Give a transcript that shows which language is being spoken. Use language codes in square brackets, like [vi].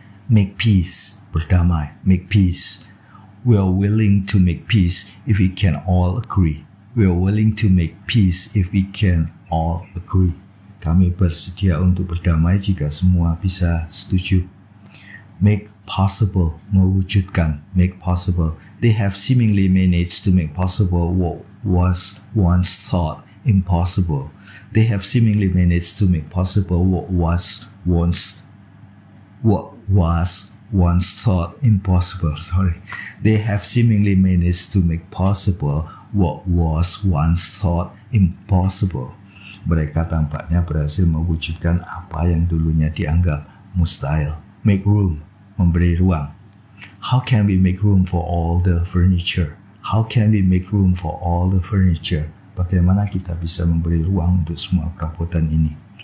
[en] Make peace, [id] berdamai. [en] Make peace. We are willing to make peace if we can all agree. We are willing to make peace if we can all agree. [id] Kami bersedia untuk berdamai jika semua bisa setuju. [en] Make possible, [id] mewujudkan. [en] Make possible. They have seemingly managed to make possible what was once thought impossible. They have seemingly managed to make possible what was once thought impossible. Sorry. They have seemingly managed to make possible what was once thought impossible. [id] Mereka tampaknya berhasil mewujudkan apa yang dulunya dianggap mustahil. [en] Make room, [id] memberi ruang. [en] How can we make room for all the furniture? How can we make room for all the furniture? [id] Bagaimana kita bisa memberi ruang untuk semua perabotan ini?